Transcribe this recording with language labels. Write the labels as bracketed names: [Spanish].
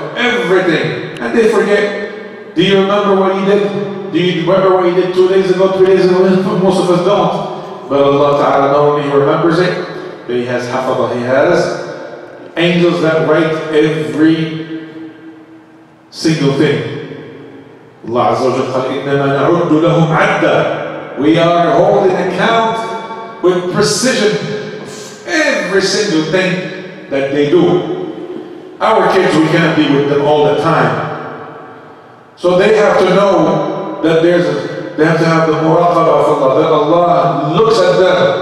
[English] Everything. And they forget. Do you remember what he did? Do you remember what he did 2 days ago, 3 days ago? Most of us don't. But Allah Ta'ala not only remembers it, but He has hafadah. He has angels that write every single thing. [Arabic] Allah Azza wa Jalla قال إِنَّمَا نَعُدُّ لَهُمْ عَدًّا. [English] We are holding account with precision of every single thing that they do. Our kids, we can't be with them all the time. So they have to know that they have to have the muraqabah of Allah, that Allah looks at them.